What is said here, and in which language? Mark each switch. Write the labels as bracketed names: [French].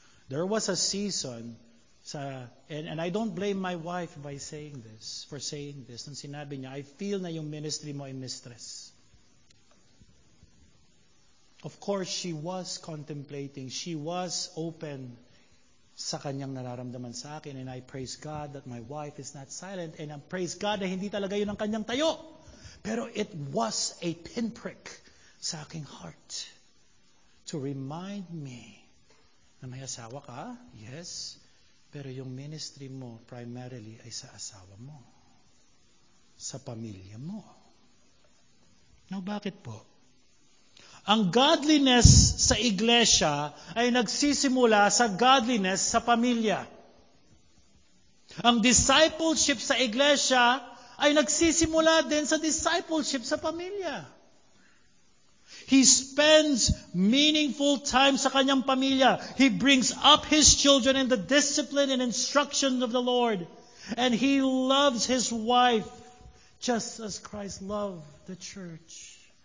[English] There was a season sa, and I don't blame my wife by saying this, for saying this. [Filipino] Nung sinabi niya, I feel na yung ministry mo ay mistress. [English] Of course, she was contemplating. She was open sa kanyang nararamdaman sa akin. And I praise God that my wife is not silent. [Filipino] And I praise God na hindi talaga yun ang kanyang tayo. Pero it was a pinprick sa aking heart to remind me na may asawa ka. [English] Yes. [Filipino] Pero yung ministry mo primarily ay sa asawa mo, sa pamilya mo. Now, bakit po? Ang godliness sa iglesia ay nagsisimula sa godliness sa pamilya. Ang discipleship sa iglesia ay nagsisimula din sa discipleship sa pamilya. [English] He spends meaningful time sa kanyang pamilya. He brings up his children in the discipline and instruction of the Lord. And he loves his wife just as Christ loved the church.